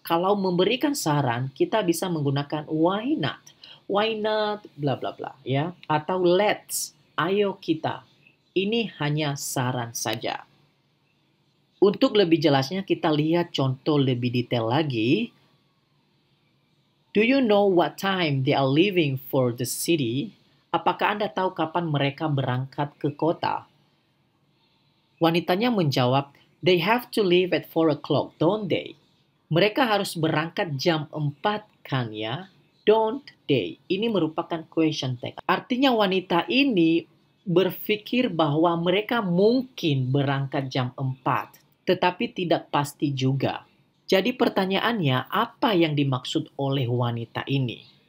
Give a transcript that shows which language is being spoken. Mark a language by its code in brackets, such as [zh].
[id] Kalau memberikan saran, kita bisa menggunakan why not. Why not, bla bla bla. Ya. Atau let's, ayo kita. Ini hanya saran saja. Untuk lebih jelasnya, kita lihat contoh lebih detail lagi. [en] Do you know what time they are leaving for the city? [id] Apakah Anda tahu kapan mereka berangkat ke kota? Wanitanya menjawab, [en] they have to leave at 4 o'clock, don't they? [id] Mereka harus berangkat jam 4, kan ya? [en] Don't they? [id] Ini merupakan question tag. Artinya wanita ini berpikir bahwa mereka mungkin berangkat jam 4, tetapi tidak pasti juga. Jadi pertanyaannya, apa yang dimaksud oleh wanita ini?